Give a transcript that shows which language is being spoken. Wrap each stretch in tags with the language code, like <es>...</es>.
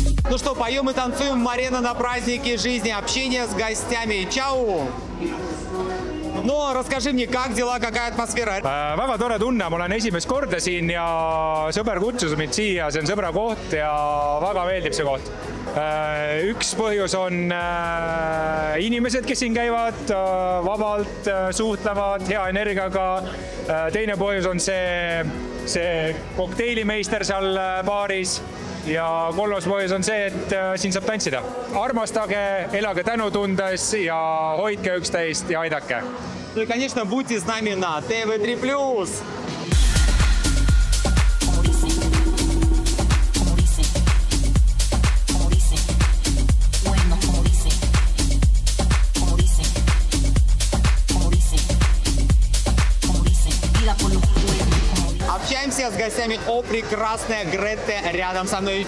<ru>Ну что, поем и танцуем, Марена, на празднике жизни, общение с гостями. Чао! Ну, расскажи мне, как дела, какая атмосфера?</ru> <et>Väga tore tunne, ma olen esimest korda siin ja sõber kutsus mind siia, see on sõbra koht ja väga meeldib see koht. Üks põhjus on inimesed, kes siin käivad vabalt, suhtlevad, hea energiaga. Teine põhjus on see kokteilimeister seal baaris. ja kolmas põhjus on see, et siin saab tantsida. Armastage, elage tänutundes ja hoidke üksteist ja aidake.</et> <ru>Ну и, конечно, будьте с нами на ТВ3+. Общаемся с гостями о прекрасной Гретте рядом со мной.</ru>